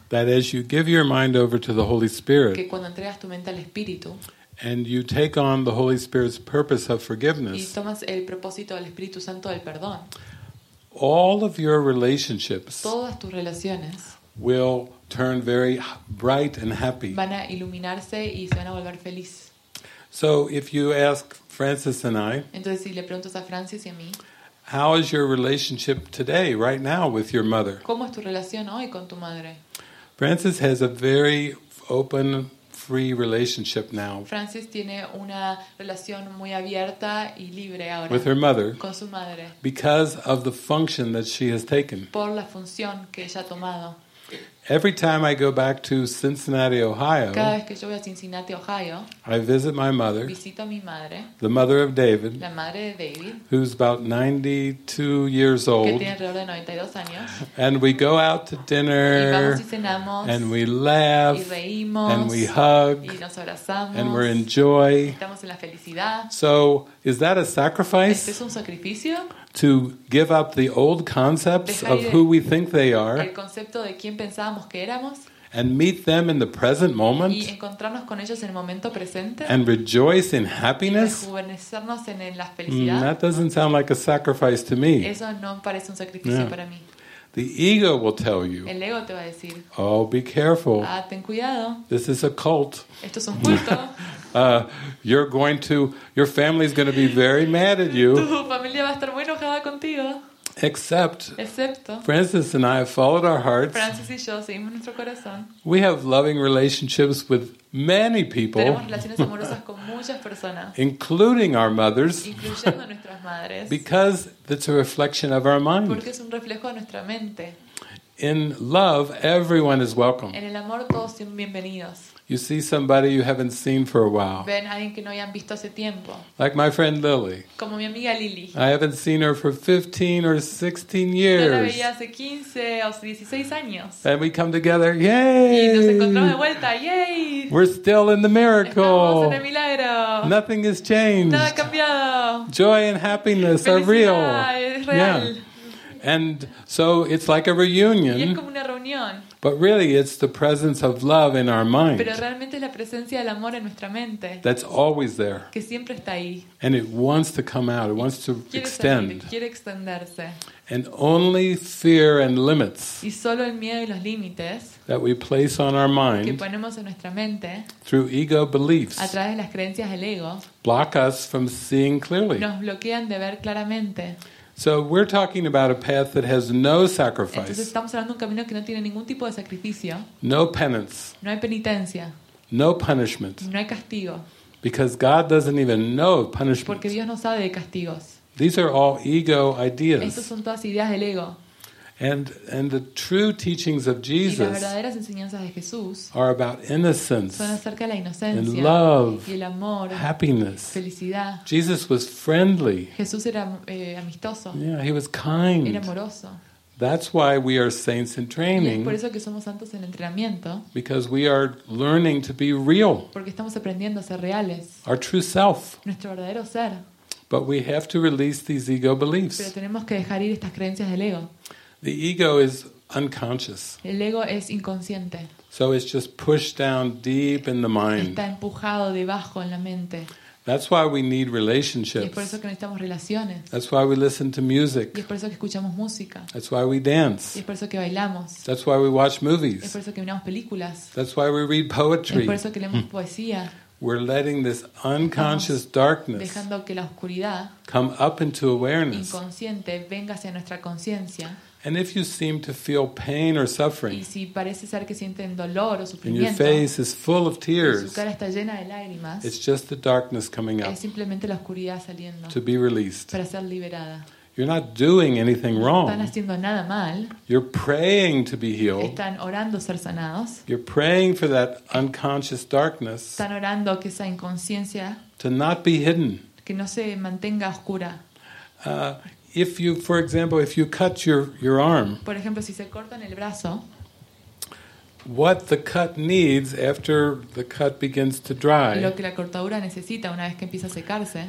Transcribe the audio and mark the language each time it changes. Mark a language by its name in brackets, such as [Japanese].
[English] that as you give your mind over to the Holy Spirit, [Spanish] que cuando entregas tu mente al Espíritu, [English] and you take on the Holy Spirit's purpose of forgiveness, [Spanish] y tomas el propósito del Espíritu Santo del perdón, [English] all of your relationships, [Spanish] todas tus relaciones, [English] will turn very bright and happy. [Spanish] Van a iluminarse y se van a volver feliz. [English] So if you ask Francis and I, [Spanish] entonces si le preguntas a Francis y a mí, [English] how is your relationship today, right now, with your mother? [Spanish] ¿Cómo es tu relación hoy con tu madre? [English] Francis has a very open, free relationship now. [Spanish] Francis tiene una relación muy abierta y libre ahora. [English] With her mother. [Spanish] Con su madre. [English] Because of the function that she has taken. [Spanish] Por la función que ella ha tomado. [English] Every time I go back to Cincinnati, Ohio, [Spanish] cada vez que yo voy a Cincinnati, Ohio, [English] I visit my mother, [Spanish] visito a mi madre, [English] the mother of David, [Spanish] la madre de David, [English] who's about 92 years old, [Spanish] que tiene alrededor de 92 años, [English] and we go out to dinner, [Spanish] y vamos y cenamos, [English] and we laugh, [Spanish] y reímos, [English] and we hug, [Spanish] y nos abrazamos, [English] and we're in joy. [Spanish] Estamos en la felicidad. [English] So, is that a sacrifice? [Spanish] ¿Es un sacrificio? [English] To give up the old concepts of who we think they are, [Spanish] el concepto de quién pensábamos que éramos, [English] and meet them in the present moment, [Spanish] y encontrarnos con ellos en el momento presente, [English] and rejoice in happiness, [Spanish] y rejuvenecernos en la felicidad. [English] That doesn't sound like a sacrifice to me. [Spanish] Eso no parece un sacrificio para mí. [English] The ego will tell you, [Spanish] el ego te va a decir, [English] oh, be careful. [Spanish] Ah, ten cuidado. [English] This is a cult. [Spanish] Esto es un culto. [English] Your family is going to be very mad at you. [Spanish] Tu familia va a estar muy enojada contigo. [English] Excepto. Francis and I have followed our hearts. [Spanish] Francis y yo seguimos nuestro corazón. [English] We have loving relationships with many people. [Spanish] Tenemos relaciones amorosas con muchas personas. [English] Including our mothers. [Spanish] Incluyendo nuestras madres. [English] Because it's a reflection of our mind. [Spanish] Porque es un reflejo de nuestra mente. [English] In love, everyone is welcome. [Spanish] En el amor todos son bienvenidos. [English] You see somebody you haven't seen for a while. [Spanish] Ven a alguien que no hayan visto hace tiempo. [English] Like my friend Lily. [Spanish] Como mi amiga Lily. [English] I haven't seen her for 15 or 16 years. [Spanish] No la veía hace 15 o 16 años. [English] And we come together, yay! [Spanish] Y nos encontramos de vuelta, yay! [English] We're still in the miracle. [Spanish] Estamos en el milagro. [English] Nothing has changed. [Spanish] Nada ha cambiado. [English] Joy and happiness [Spanish] felicidad [English] are real. [Spanish] Es real. [English] Yeah. And so it's like a reunion. [Spanish] Y es como una reunión. [English] But really, it's the presence of love in our mind. [Spanish] Pero realmente es la presencia del amor en nuestra mente. [English] That's always there. [Spanish] Que siempre está ahí. [English] And it wants to come out. It wants to extend. [Spanish] Quiere extenderse. [English] And only fear and limits. [Spanish] Y solo el miedo y los límites. [English] That we place on our mind. [Spanish] Que ponemos en nuestra mente. [English] Through ego beliefs. [Spanish] A través de las creencias del ego. [English] Block us from seeing clearly. [Spanish] Nos bloquean de ver claramente. [English] So we're talking about a path that has no sacrifice. [Spanish] Entonces estamos hablando de un camino que no tiene ningún tipo de sacrificio. [English] No penance. [Spanish] No hay penitencia. [English] No punishment. [Spanish] No hay castigo. [English] Because God doesn't even know of punishment. [Spanish] Porque Dios no sabe de castigos. [English] These are all ego ideas. [Spanish] Estas son todas ideas del ego. [English] And the true teachings of Jesus [Spanish] y las verdaderas enseñanzas de Jesús [English] are about innocence, [Spanish] son acerca de la inocencia, [English] and love, [Spanish] y el amor, [English] happiness, [Spanish] felicidad. [English] Jesus was friendly. [Spanish] Jesús era amistoso. [English] Yeah, he was kind. [Spanish] Era amoroso. [English] That's why we are saints in training. [Spanish] Y es por eso que somos santos en entrenamiento. [English] Because we are learning to be real. [Spanish] Porque estamos aprendiendo a ser reales. [English] Our true self. [Spanish] Nuestro verdadero ser. [English] But we have to release these ego beliefs. [Spanish] Pero tenemos que dejar ir estas creencias del ego. [English] The ego is unconscious. [Spanish] El ego es inconsciente. [English] So it's just pushed down deep in the mind. [Spanish] Está empujado debajo en la mente. [English] That's why we need relationships. [Spanish] Y es por eso que necesitamos relaciones. [English] That's why we listen to music. [Spanish] Y es por eso que escuchamos música. [English] That's why we dance. [Spanish] Y es por eso que bailamos. [English] That's why we watch movies. [Spanish] Y es por eso que miramos películas. [English] That's why we read poetry. [Spanish] Y es por eso que leemos poesía. [English] We're letting this unconscious darkness [Spanish] dejando que la oscuridad [English] come up into awareness. [Spanish] Inconsciente venga hacia nuestra conciencia. [English] And if you seem to feel pain or suffering, [Spanish] y si parece ser que sienten dolor o sufrimiento, [English] and your face is full of tears, [Spanish] y su cara está llena de lágrimas, [English] it's just the darkness coming up, [Spanish] es simplemente la oscuridad saliendo, [English] to be released, [Spanish] para ser liberada. [English] You're not doing anything wrong. [Spanish] Están haciendo nada mal. [English] You're praying to be healed. [Spanish] Están orando ser sanados. [English] You're praying for that unconscious darkness. [Spanish] Están orando que esa inconsciencia [English] to not be hidden. [Spanish] Que no se mantenga oscura. [English] If you, for example, if you cut your arm, [Spanish] por ejemplo, si se cortan el brazo, [English] what the cut needs after the cut begins to dry, [Spanish] lo que la cortadura necesita una vez que empieza a secarse,